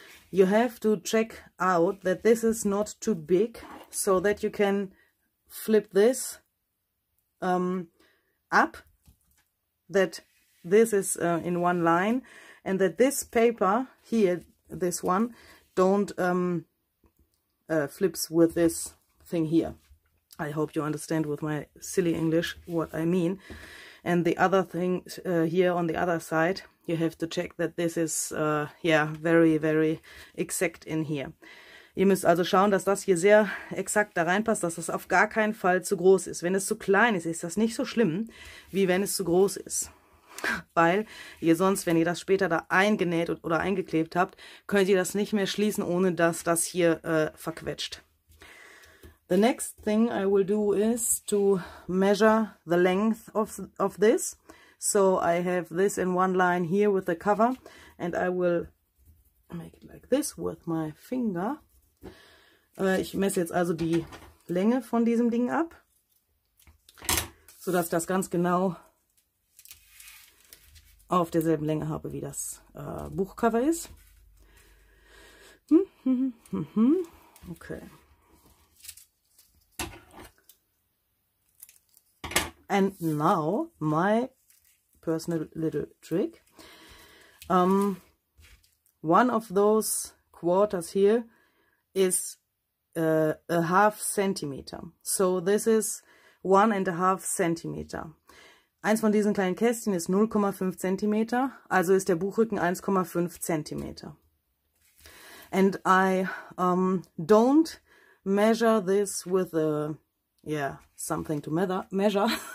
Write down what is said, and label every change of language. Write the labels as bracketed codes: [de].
[en] You have to check out that this is not too big, so that you can flip this up, that this is in one line, and that this paper here, this one, don't flips with this thing here. I hope you understand with my silly English what I mean. And the other thing here on the other side, you have to check that this is very, very exact in here. [de] Ihr müsst also schauen, dass das hier sehr exakt da reinpasst, dass das auf gar keinen Fall zu groß ist. Wenn es zu klein ist, ist das nicht so schlimm, wie wenn es zu groß ist. Weil ihr sonst, wenn ihr das später da eingenäht oder eingeklebt habt, könnt ihr das nicht mehr schließen, ohne dass das hier verquetscht. [en] The next thing I will do is to measure the length of this. So I have this in one line here with the cover, and I will make it like this with my finger. [de] Ich messe jetzt also die Länge von diesem Ding ab, sodass ich das ganz genau auf derselben Länge habe, wie das Buchcover ist. [en] Okay. And now my personal little trick. One of those quarters here is a half centimeter. So this is 1.5 centimeter. [de] Eins von diesen kleinen Kästchen ist 0,5 cm, also ist der Buchrücken 1,5 cm. [en] And I don't measure this with a, something to measure.